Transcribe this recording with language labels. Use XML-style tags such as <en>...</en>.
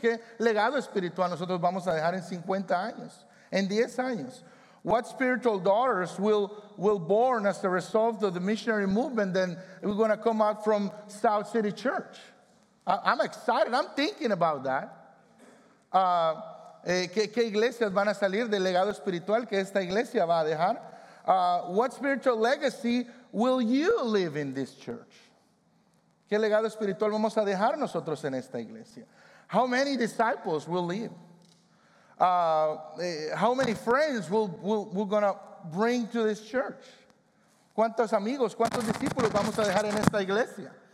<es>¿Qué legado espiritual nosotros vamos a dejar en 50 años, en 10 años?</es> <en>What spiritual daughters will born as a result of the missionary movement then we're going to come out from South City Church? I'm excited. I'm thinking about that.</en> <es>¿Qué iglesias van a salir del legado espiritual que esta iglesia va a dejar?</es> <en>What spiritual legacy will you leave in this church?</en> <es>¿Qué legado espiritual vamos a dejar nosotros en esta iglesia?</es> <en>How many disciples will leave? How many friends we're going to bring to this church?</en> <es>¿Cuántos amigos, cuántos discípulos vamos a dejar en esta iglesia?</es>